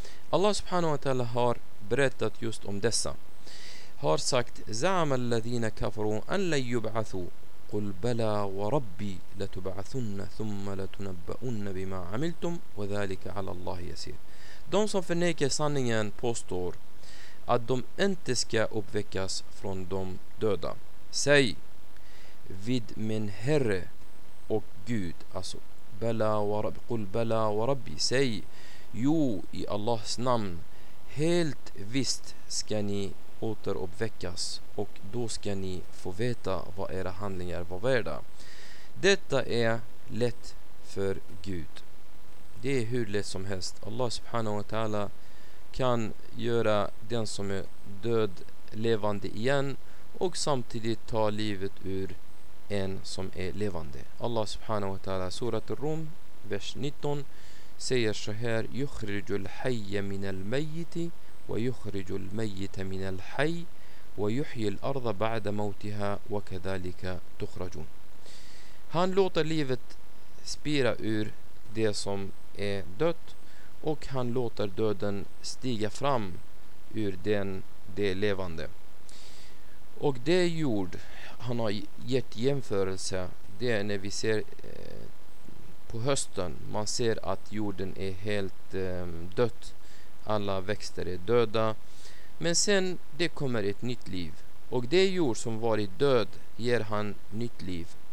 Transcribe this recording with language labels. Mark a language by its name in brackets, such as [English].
[Swedish] Allah subhanahu wa ta'ala har berättat just om dessa, har sagt: [Arabic] زعم الذين كفروا أن لن يبعثوا قل بلى وربي لتبعثن ثم لتنبؤن بما عملتم وذلك على الله يسير. [Swedish] De som förnekar sanningen påstår att de inte ska uppväckas från de döda. Säg: vid min herre och Gud, alltså [Arabic] bala wa rabbi, قل بلى وربي, [Swedish] säg jo, i Allahs namn, helt visst ska ni återuppväckas, och då ska ni få veta vad era handlingar var värda. Detta är lätt för Gud. Det är hur lätt som helst. Allah subhanahu wa ta'ala kan göra den som är död levande igen, och samtidigt ta livet ur en som är levande. Allah subhanahu wa ta'ala, surat al-Rum vers 19, säger så här: [Arabic] يخرج الحي من الميت ويخرج الميت من الحي ويحيي الأرض بعد موتها وكذلك تخرجون. [Swedish] Han låter livet spira ur det som är dött, och han låter döden stiga fram ur den det levande. Och det jord han har gett jämförelse, det är när vi ser på hösten, man ser att jorden är helt dött, alla växter är döda, men sen det kommer ett nytt liv, och det jord som varit död ger han nytt liv.